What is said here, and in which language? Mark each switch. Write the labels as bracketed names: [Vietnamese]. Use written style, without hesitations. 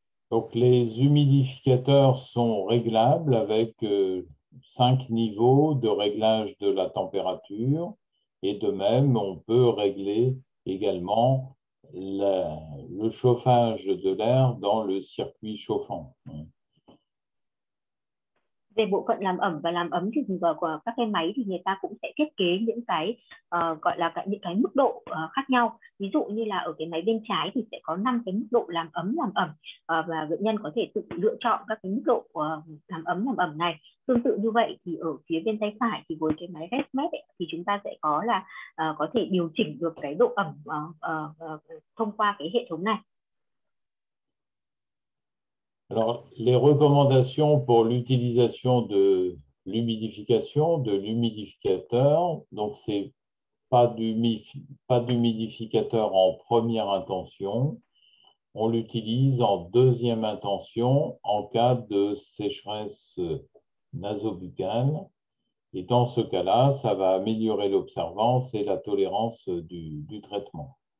[French] Donc les humidificateurs sont réglables avec 5 niveaux de réglage de la température, et de même on peut régler également le chauffage de l'air dans le circuit chauffant. [Vietnamese] Về bộ phận làm ẩm và làm ấm thì của các cái máy thì người ta cũng sẽ thiết kế những cái gọi là những cái mức độ khác nhau. Ví dụ như là ở cái máy bên trái thì sẽ có 5 cái mức độ làm ấm, làm ẩm, và bệnh nhân có thể tự lựa chọn các cái mức độ làm ấm, làm ẩm này. Tương tự như vậy thì ở phía bên tay phải thì với cái máy HESMET thì chúng ta sẽ có là có thể điều chỉnh được cái độ ẩm thông qua cái hệ thống này. [French] Alors, les recommandations pour l'utilisation de l'humidification, de l'humidificateur, donc c'est pas d'humidificateur en première intention, on l'utilise en deuxième intention en cas de sécheresse nasobuccale, et dans ce cas-là, ça va améliorer l'observance et la tolérance du traitement.